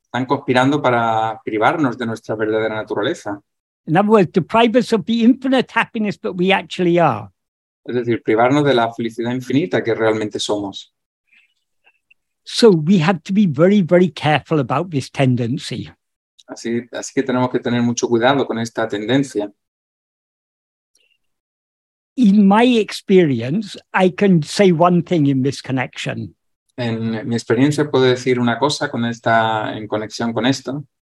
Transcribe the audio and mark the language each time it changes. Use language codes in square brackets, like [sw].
[es] Están conspirando para privarnos de nuestra verdadera naturaleza. [en] In other words, deprive us of the infinite happiness that we actually are. [es] Es decir, privarnos de la felicidad infinita que realmente somos. [en] So we have to be very, very careful about this tendency. [es] Así que tenemos que tener mucho cuidado con esta tendencia. [en] In my experience, I can say one thing in this connection. [es] En mi experiencia puedo decir una cosa en conexión con esto.